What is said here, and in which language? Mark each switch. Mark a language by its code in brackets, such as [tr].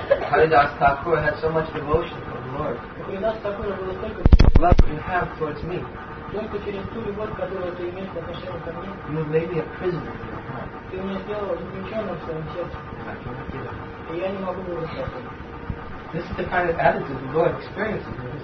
[en] Haridas Thakur had so much devotion for the Lord. Haridas Thakur had so much love you have towards me. [ru] Только через ту любовь, которую ты имеешь по отношению ко мне. [en] You have made me a prisoner. [ru] Ты меня сделал заключенным в своем сердце. И я не могу его выпустить. [en] This is the kind of attitude the Lord experiences in his